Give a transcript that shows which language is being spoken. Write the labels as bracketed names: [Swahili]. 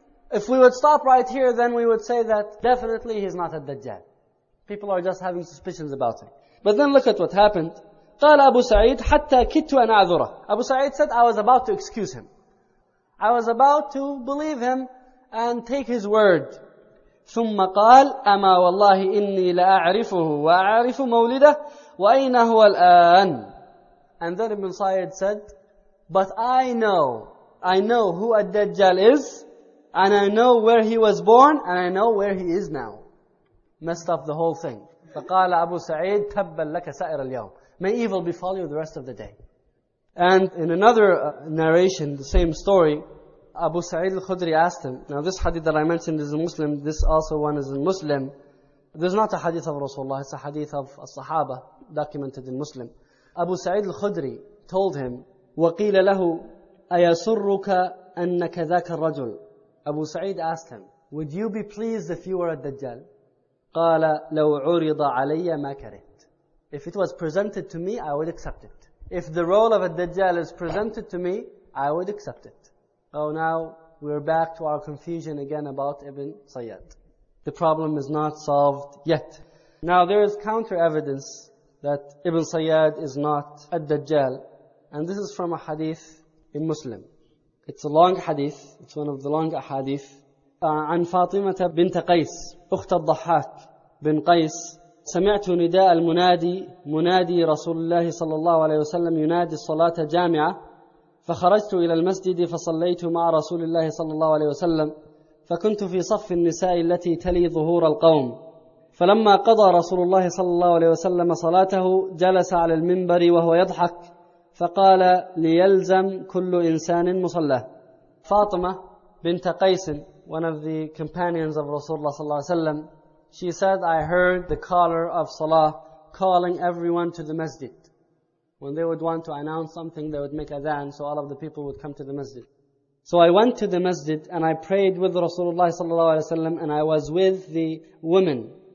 [English] If we would stop right here, then we would say that definitely he's not a Dajjal. People are just having suspicions about him. But then look at what happened. [Arabic] قال أبو سعيد حتى كدت أن أعذره. [English] Abu Sa'id said, I was about to excuse him. I was about to believe him and take his word. [Arabic] ثم قال أما والله إني لأعرفه وأعرف مولده وأين هو الآن. [English] And then Ibn Sa'id said, but I know who Ad-Dajjal is, and I know where he was born, and I know where he is now. Messed up the whole thing. [Arabic] فقال أبو سعيد تبا لك سائر اليوم. [English] May evil befall you the rest of the day. And in another narration, the same story, Abu Sa'id al-Khudri asked him, now this hadith that I mentioned is a Muslim, this also one is in Muslim. There's not a hadith of Rasulullah, it's a hadith of a Sahaba documented in Muslim. Abu Sa'id al-Khudri told him, [Arabic] وَقِيلَ لَهُ أَيَسُرُّكَ أَنَّكَ ذَاكَ الرَّجُلُ. [English] Abu Sa'id asked him, would you be pleased if you were a Dajjal? [Arabic] قَالَ لَوْ عُرِضَ عَلَيَّ مَا كَرِهْ. [English] If it was presented to me, I would accept it. If the role of a Dajjal is presented to me, I would accept it. Oh, now we're back to our confusion again about Ibn Sayyad. The problem is not solved yet. Now there is counter evidence that Ibn Sayyad is not a Dajjal. And this is from a hadith in Muslim. It's a long hadith. It's one of the long hadith. [Arabic] عن فاطمة بنت قيس أخت الضحاك بن قيس سمعت نداء المنادي منادي رسول الله صلى الله عليه وسلم ينادي الصلاة جامعة فخرجت إلى المسجد فصليت مع رسول الله صلى الله عليه وسلم فكنت في صف النساء التي تلي ظهور القوم فلما قضى رسول الله صلى الله عليه وسلم صلاته جلس على المنبر وهو يضحك فقال ليلزم كل إنسان مصلاه. [English] فاطمة بنت قيس, one of the companions of Rasulullah صلى الله عليه وسلم, she said, I heard the caller of Salah calling everyone to the masjid. When they would want to announce something, they would make adhan, so all of the people would come to the masjid. So I went to the masjid and I prayed with Rasulullah sallallahu alayhi wa sallam, and I was with the women.